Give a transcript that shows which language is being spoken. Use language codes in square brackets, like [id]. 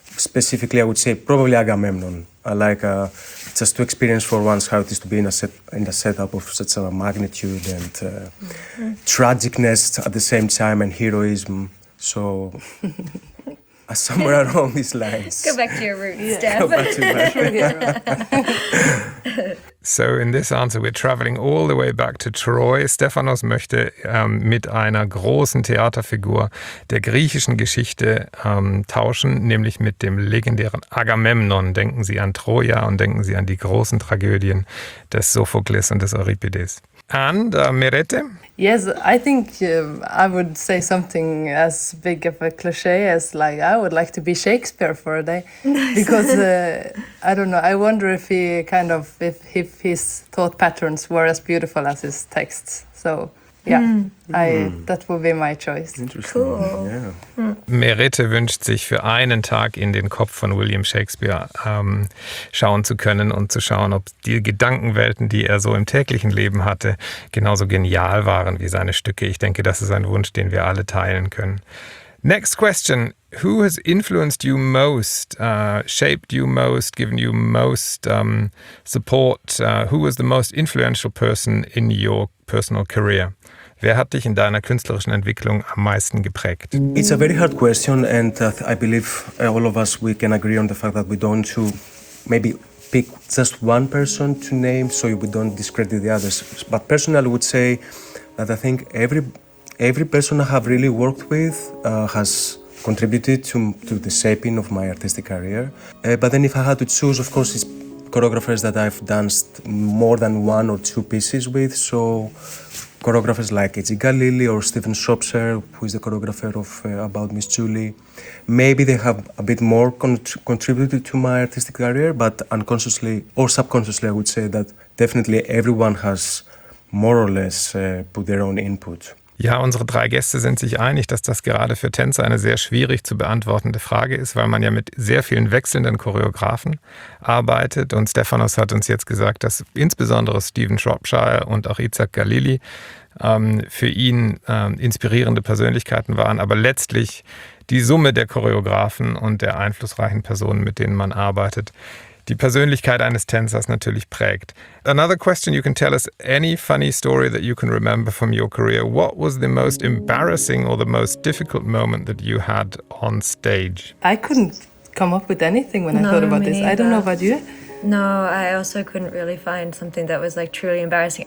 [en] Specifically, I would say probably Agamemnon. I like just to experience for once how it is to be in a setup of such a magnitude and tragicness at the same time and heroism. So somewhere along these lines. Go back to your roots, Steph. Go back to your roots. So in this answer, we're traveling all the way back to Troy. [de] Stephanos möchte mit einer großen Theaterfigur der griechischen Geschichte tauschen, nämlich mit dem legendären Agamemnon. Denken Sie an Troja und denken Sie an die großen Tragödien des Sophokles und des Euripides. [en] And Merete? Yes, I think I would say something as big of a cliche as like I would like to be Shakespeare for a day. Nice. Because I don't know, I wonder if his thought patterns were as beautiful as his texts. So yeah, that would be my choice. Interesting. Cool. Yeah. [de] Merete wünscht sich für einen Tag in den Kopf von William Shakespeare schauen zu können und zu schauen, ob die Gedankenwelten, die er so im täglichen Leben hatte, genauso genial waren wie seine Stücke. Ich denke, das ist ein Wunsch, den wir alle teilen können. [en] Next question. Who has influenced you most, shaped you most, given you most support? Who was the most influential person in your personal career? [de] Wer hat dich in deiner künstlerischen Entwicklung am meisten geprägt? [en] It's a very hard question, and I believe all of us, we can agree on the fact that we don't to maybe pick just one person to name, so we don't discredit the others. But personally, I would say that I think every person I have really worked with has contributed to the shaping of my artistic career. But then if I had to choose, of course, it's choreographers that I've danced more than one or two pieces with. So choreographers like Edgy Galili or Stephen Shropshire, who is the choreographer of About Miss Julie. Maybe they have a bit more contributed to my artistic career, but unconsciously or subconsciously, I would say that definitely everyone has more or less put their own input. [de] Ja, unsere drei Gäste sind sich einig, dass das gerade für Tänzer eine sehr schwierig zu beantwortende Frage ist, weil man ja mit sehr vielen wechselnden Choreografen arbeitet. Und Stephanos hat uns jetzt gesagt, dass insbesondere Stephen Shropshire und auch Itzhak Galili für ihn inspirierende Persönlichkeiten waren, aber letztlich die Summe der Choreografen und der einflussreichen Personen, mit denen man arbeitet, die Persönlichkeit eines Tänzers natürlich prägt. [en] Another question, you can tell us any funny story that you can remember from your career. What was the most embarrassing or the most difficult moment that you had on stage? I couldn't come up with anything when I thought about this. Neither. I don't know about you. No, I also couldn't really find something that was like truly embarrassing.